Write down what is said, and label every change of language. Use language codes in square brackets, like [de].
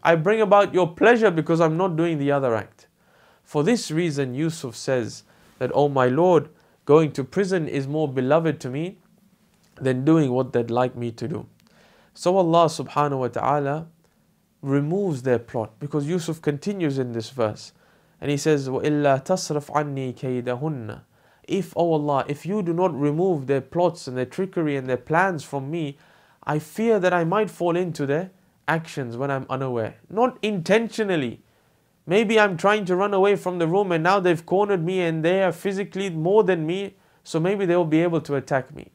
[en] I bring about your pleasure because I'm not doing the other act. For this reason, Yusuf says that, oh my Lord, going to prison is more beloved to me than doing what they'd like me to do. So Allah subhanahu wa ta'ala removes their plot, because Yusuf continues in this verse. And he says, [ar] وَإِلَّا تَصْرَفْ عَنِّي كَيْدَهُنَّ. [en] If, oh Allah, if you do not remove their plots and their trickery and their plans from me, I fear that I might fall into their actions when I'm unaware. Not intentionally. Maybe I'm trying to run away from the room and now they've cornered me and they are physically more than me, so maybe they'll be able to attack me.